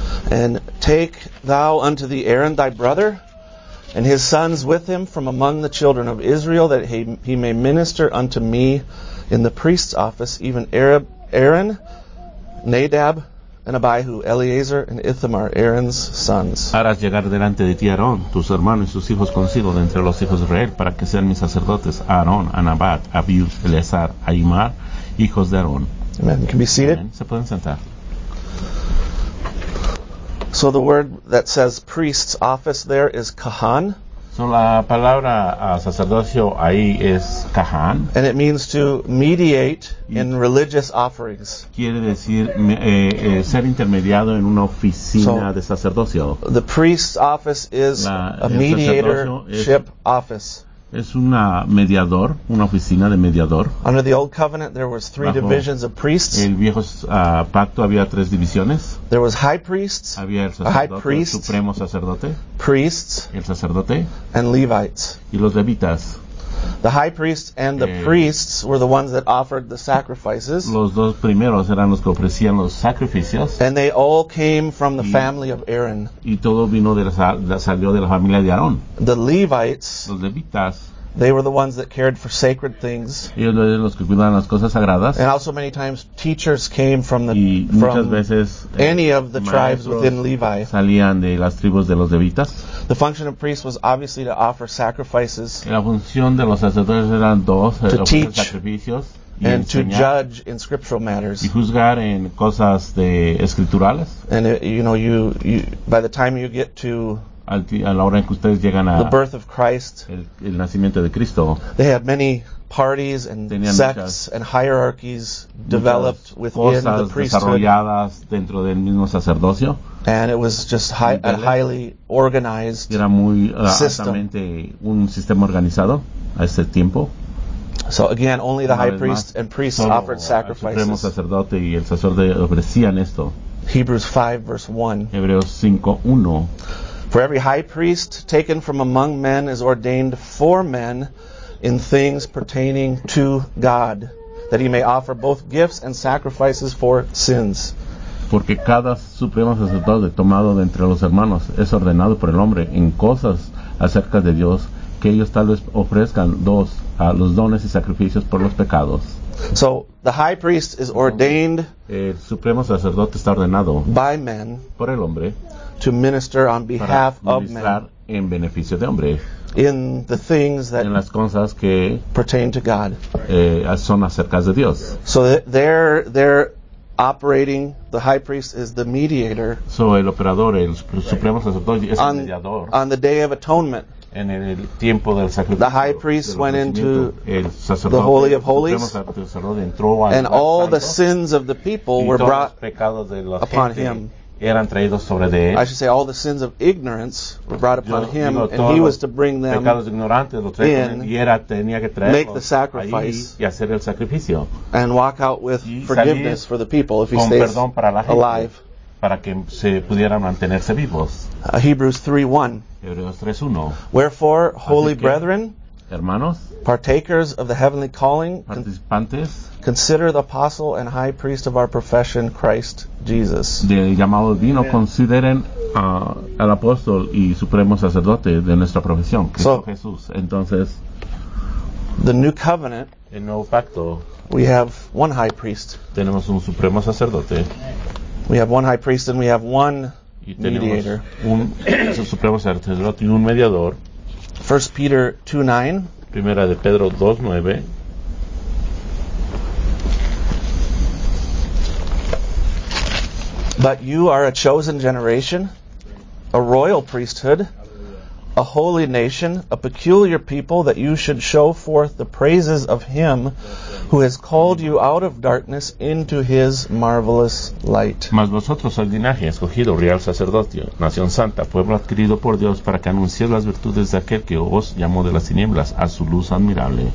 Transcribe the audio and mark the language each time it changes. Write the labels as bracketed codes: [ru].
[en] And take thou unto thee Aaron thy brother, and his sons with him from among the children of Israel, that he may minister unto me in the priest's office, even Aaron, Nadab, and Abihu, Eleazar, and Ithamar, Aaron's sons. [es] Harás llegar delante de ti Aarón, tus hermanos y sus hijos consigo de entre los hijos de Israel, para que sean mis sacerdotes, Aarón, Anabat, Abihu, Eleazar, Ahimar, hijos de Aarón. [en] Amen. You can be seated. [es] Se pueden sentar. [en] So the word that says priest's office there is kahan. [es] So la palabra sacerdocio ahí es kahan. [en] And it means to mediate in religious offerings. [es] Quiere decir ser intermediado en una oficina so de sacerdocio. [en] The priest's office is a mediatorship office. [es] Es una mediador, una oficina de mediador. [en] Under the old covenant, there was three [es] bajo [en] divisions of priests. [es] El viejo pacto había tres divisiones. [en] There was high priests, [es] había el sacerdote, [en] high priest, [es] supremo sacerdote, [en] priests, [es] el sacerdote, [en] and Levites. [es] Y los levitas. [en] The high priests and the priests were the ones that offered the sacrifices. [es] Los dos primeros eran los que ofrecían los sacrificios. [en] And they all came from the family of Aaron. [es] Y todo vino de salió de la familia de Aarón. [en] The Levites, [es] los levitas, [en] they were the ones that cared for sacred things. [es] Ellos eran los que cuidaban las cosas sagradas. [en] And also many times teachers came from the any of the tribes within Levi. [es] Salían de las tribus de los levitas. [en] The function of priests was obviously to offer sacrifices. [es] La función de los sacerdotes eran dos, [en] to teach [es] sacrificios y [en] and [es] enseñar, [en] to judge in scriptural matters. [es] Y juzgar en cosas de escriturales. [en] And it, you know, you by the time you get to [es] a la hora en que ustedes llegan a [en] the birth of Christ, [es] el nacimiento de Cristo, [en] they had many parties and sects and hierarchies developed within the priesthood. [es] Desarrolladas dentro del mismo sacerdocio. [en] And it was just a highly organized [es] era muy, altamente un sistema organizado a ese tiempo. [en] So again, only the high priest and priests offered sacrifices. [es] El supremo sacerdote y el sacerdote ofrecían esto. [en] Hebrews 5, verse 1. [es] Hebreos 5, 1. [en] For every high priest taken from among men is ordained for men in things pertaining to God, that he may offer both gifts and sacrifices for sins. [es] Porque cada supremo sacerdote tomado de entre los hermanos es ordenado por el hombre en cosas acerca de Dios, que ellos tal vez ofrezcan dos a los dones y sacrificios por los pecados. [en] So the high priest is ordained, [es] el supremo sacerdote está ordenado [en] by men [es] por el hombre [en] to minister on behalf of men. [es] Para ministrar en beneficio de hombre. [en] In the things that [es] en las cosas que [en] pertain to God. [es] Son acerca de Dios. [en] So they're operating, the high priest is the mediator. [es] So el operador, el supremo sacerdote, es el mediador. [en] On the day of atonement. [es] en el tiempo del sacrificio. [en] The high priest went into the Holy of Holies, and all the sins of the people were brought upon him. [es] Eran traídos sobre de él. [en] I should say all the sins of ignorance were brought upon him, [es] digo, [en] and he was to bring them [es] ignorantes, los traídos, [en] in, [es] y era, tenía que traerlos, [en] make the sacrifice, [es] y hacer el sacrificio, [en] and walk out with [es] y [en] forgiveness for the people if he [es] con [en] stays [es] perdón para la gente, [en] alive. [es] Para que se pudieran mantenerse vivos. [en] Hebrews 3:1. Wherefore, holy [es] que, [en] brethren, [es] hermanos, [en] partakers of the heavenly calling, [es] participantes, [en] consider the apostle and high priest of our profession, Christ Jesus. [es] De llamado divino, consideren al apóstol y supremo sacerdote de nuestra profesión, Cristo Jesús. Entonces, [en] the new covenant, [es] el nuevo pacto, [en] we have one high priest. [es] Tenemos un supremo sacerdote. [en] We have one high priest and we have one mediator. [es] Un supremo sacerdote y un mediador. [en] 1 Peter 2:9. [es] Primera de Pedro 2:9. [en] But you are a chosen generation, a royal priesthood, a holy nation, a peculiar people, that you should show forth the praises of him who has called you out of darkness into his marvelous light. [es] Mas vosotros sois linaje escogido, real sacerdocio, nación santa, pueblo adquirido por Dios para que anunciéis las virtudes de aquel que os llamó de las tinieblas a su luz admirable.